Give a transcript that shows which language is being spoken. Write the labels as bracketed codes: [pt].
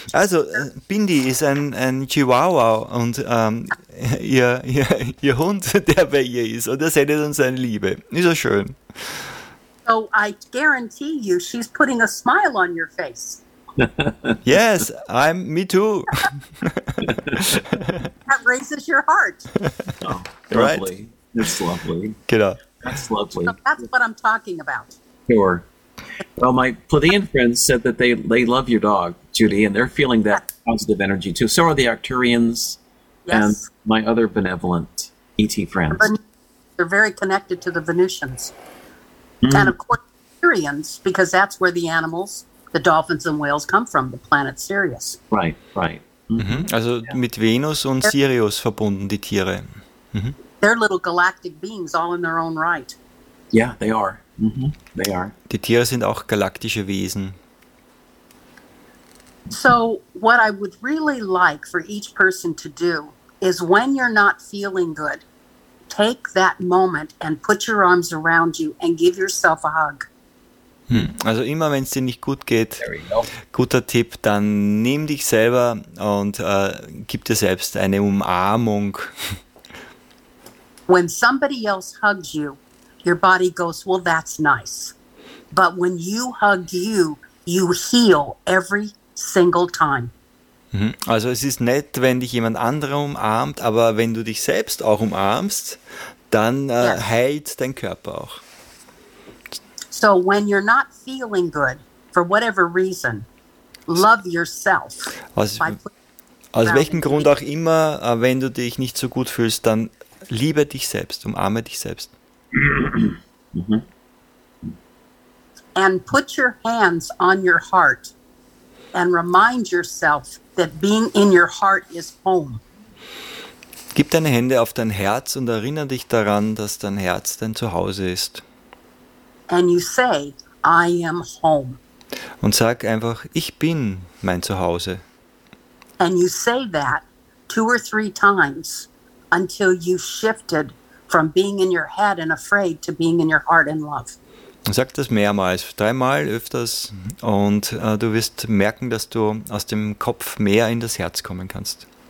[de] Also, Bindi is an Chihuahua und ihr Hund, der bei ihr ist. Und er sendet uns seine Liebe. Ist auch schön. [en] So I guarantee you she's putting a smile on your face. Yes, I'm me too. That raises your heart. Oh, right. Lovely. That's lovely. Get up. That's lovely. So that's what I'm talking about. Sure. Well, my Pleiadian friends said that they love your dog, Judy, and they're feeling that positive energy too. So are the Arcturians and my other benevolent ET friends. They're very connected to the Venusians. Mm. And of course, Arcturians, because that's where the animals, the dolphins and whales come from, the planet Sirius. Right, right. Mm-hmm. [de] Also mit Venus und Sirius verbunden, die Tiere. Mm-hmm. [en] They're little galactic beings all in their own right. Yeah, they are. Mm-hmm. They are. [de] Die Tiere sind auch galaktische Wesen. [en] So what I would really like for each person to do is when you're not feeling good, take that moment and put your arms around you and give yourself a hug. [de] Also immer, wenn es dir nicht gut geht, guter Tipp, dann nimm dich selber und gib dir selbst eine Umarmung. [en] When somebody else hugs you, your body goes, well, that's nice. But when you hug you, you heal every single time. [de] Also es ist nett, wenn dich jemand anderer umarmt, aber wenn du dich selbst auch umarmst, dann heilt dein Körper auch. [en] So when you're not feeling good, for whatever reason, love yourself. [de] Aus welchem Grund auch immer, wenn du dich nicht so gut fühlst, dann liebe dich selbst, umarme dich selbst. Mm-hmm. [en] And put your hands on your heart and remind yourself that being in your heart is home. [de] Gib deine Hände auf dein Herz und erinnere dich daran, dass dein Herz dein Zuhause ist. [en] And you say, I am home. [de] Und sag einfach, ich bin mein Zuhause. [en] And you say that 2 or 3 times until you've shifted from being in your head and afraid to being in your heart and love. [de] Sag das mehrmals, 3-mal öfters und du wirst merken, dass du aus dem Kopf mehr in das Herz kommen kannst.